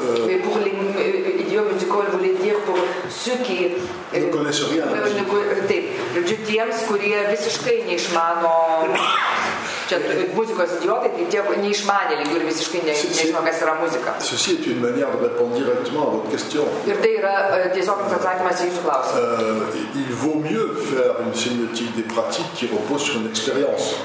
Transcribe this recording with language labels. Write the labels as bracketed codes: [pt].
[fr] et pour les idiots musicaux, je voulais dire pour ceux qui ne connaissent rien. [lt] Taip, tiems, kurie visiškai neišmano čia muzikos idiotai, tai tie neišmanėliai, kurie visiškai neišmano, kas yra muzika. [fr] Ceci est une manière de répondre directement à votre question. [lt] Ir tai yra tiesiog atsakymas į jūsų klausimą. [fr] Il vaut mieux faire une sémiotique des pratiques qui repose sur une expérience.